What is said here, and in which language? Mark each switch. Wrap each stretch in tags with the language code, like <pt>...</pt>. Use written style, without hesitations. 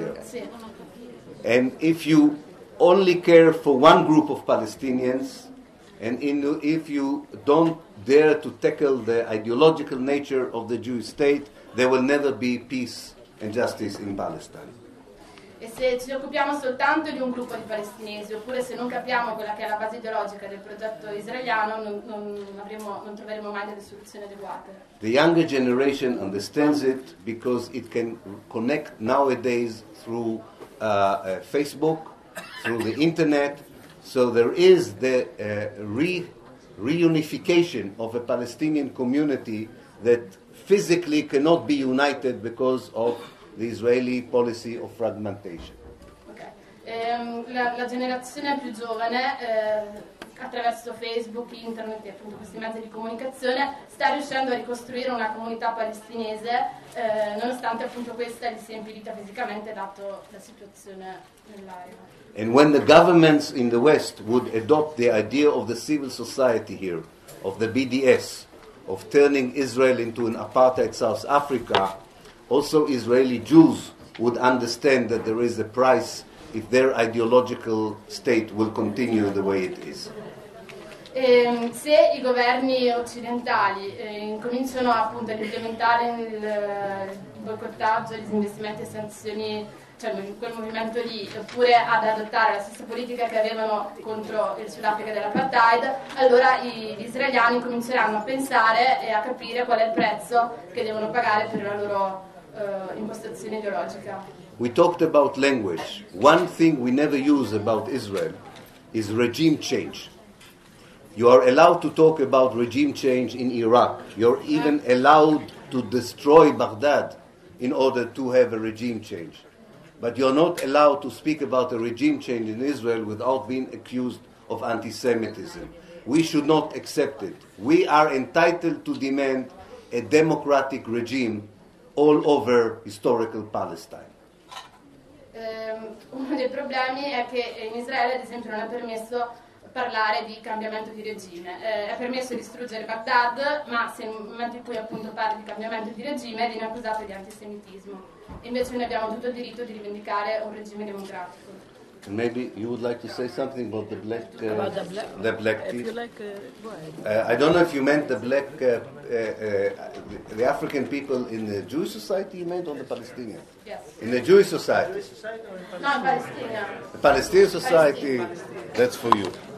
<en>Yeah.</en> <it>Sì.</it> <en>And if you only care for one group of Palestinians, and if you don't dare to tackle the ideological nature of the Jewish state, there will never be peace and justice in Palestine.</en> <it>e se ci occupiamo soltanto di un gruppo di palestinesi, oppure se non capiamo quella che è la base ideologica del progetto israeliano, non troveremo mai delle soluzioni adeguate.</it> <en>The younger generation understands it because it can connect nowadays through Facebook, through the internet, so there is the reunification of a Palestinian community that physically cannot be united because of the Israeli policy of fragmentation. Okay.</en> <it>La generazione più giovane, attraverso Facebook, internet e appunto questi mezzi di comunicazione, sta riuscendo a ricostruire una comunità palestinese, nonostante appunto questa gli sia impedita fisicamente dato la situazione nell'area.</it> <en>And when the governments in the West would adopt the idea of the civil society here, of the BDS, of turning Israel into an apartheid South Africa, also Israeli Jews would understand that there is a price if their ideological state will continue the way it is.</en> <it>Se i governi occidentali incominciano appunto ad implementare il boicottaggio, gli investimenti e sanzioni, cioè quel movimento lì, oppure ad adottare la stessa politica che avevano contro il Sudafrica dell'apartheid, allora gli israeliani cominceranno a pensare e a capire qual è il prezzo che devono pagare per la loro impostazione ideologica.</it> <en>We talked about language. One thing we never use about Israel is regime change. You are allowed to talk about regime change in Iraq. You're even allowed to destroy Baghdad in order to have a regime change. But you're not allowed to speak about a regime change in Israel without being accused of anti-Semitism. We should not accept it. We are entitled to demand a democratic regime all over historical Palestine.</en> <it>Uno dei problemi è che in Israele, ad esempio, non è permesso parlare di cambiamento di regime. È permesso distruggere Baghdad, ma se in un momento in cui appunto parli di cambiamento di regime viene accusato di antisemitismo. Invece noi abbiamo tutto il diritto di rivendicare un regime democratico.</it> <en>Maybe you would like to say something about the black people. I don't know if you meant the black the African people in the Jewish society, you meant, or the Palestinian? Yes. In the Jewish society. No, Palestinian. The Palestinian society. That's for you.</en>